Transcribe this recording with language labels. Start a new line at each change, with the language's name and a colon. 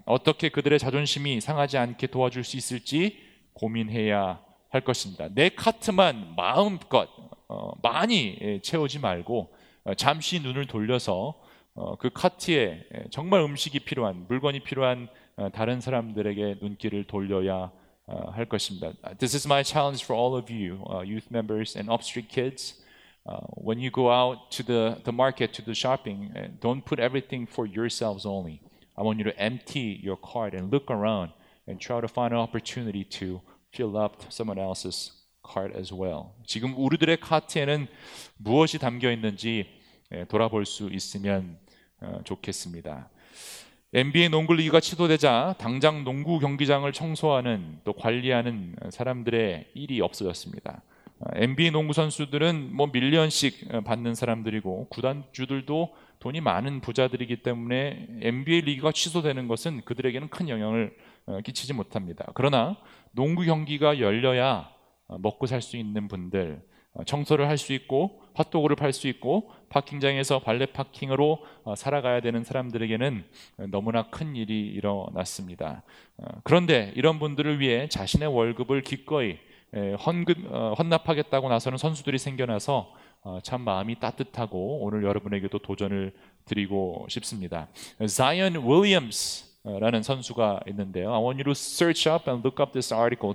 Korean: 어떻게 그들의 자존심이 상하지 않게 도와줄 수 있을지 고민해야 할 것입니다. 내 카트만 마음껏 많이 채우지 말고 잠시 눈을 돌려서 그 카트에 정말 음식이 필요한, 물건이 필요한 다른 사람들에게 눈길을 돌려야 할 것입니다.
English: This is my challenge for all of you, youth members and upstreet kids. When you go out to the market, to the shopping, don't put everything for yourselves only. I want you to empty your cart and look around and try to find an opportunity to fill up someone else's cart as well.
Korean: 지금 우리들의 카트에는 무엇이 담겨 있는지 돌아볼 수 있으면 좋겠습니다. NBA 농구 리그가 취소되자 당장 농구 경기장을 청소하는 또 관리하는 사람들의 일이 없어졌습니다. NBA 농구 선수들은 뭐 밀리언씩 받는 사람들이고, 구단주들도 돈이 많은 부자들이기 때문에 NBA 리그가 취소되는 것은 그들에게는 큰 영향을 끼치지 못합니다. 그러나 농구 경기가 열려야 먹고 살수 있는 분들, 청소를 할 수 있고 핫도그를 팔 수 있고 파킹장에서 발레 파킹으로 살아가야 되는 사람들에게는 너무나 큰 일이 일어났습니다. 그런데 이런 분들을 위해 자신의 월급을 기꺼이 헌납하겠다고 나서는 선수들이 생겨나서 참 마음이 따뜻하고 오늘 여러분에게도 도전을 드리고 싶습니다. Zion Williams라는 선수가 있는데요.
English: I want you to search up and look up this article.